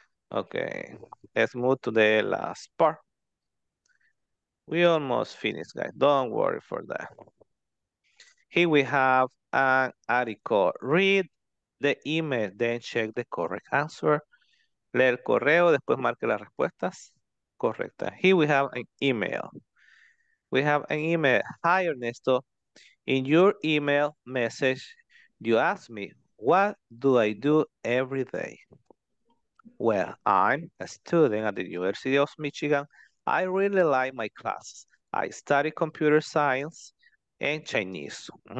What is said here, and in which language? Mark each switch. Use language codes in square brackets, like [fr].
[en] Okay, let's move to the last part. We almost finished, guys. Don't worry for that. Here we have an article. Read the email, then check the correct answer. [es] Lee el correo, después marque las respuestas correctas. [en] Here we have an email. We have an email. Hi, Ernesto. In your email message, you ask me, what do I do every day? Well, I'm a student at the University of Michigan. I really like my classes. I study computer science and Chinese.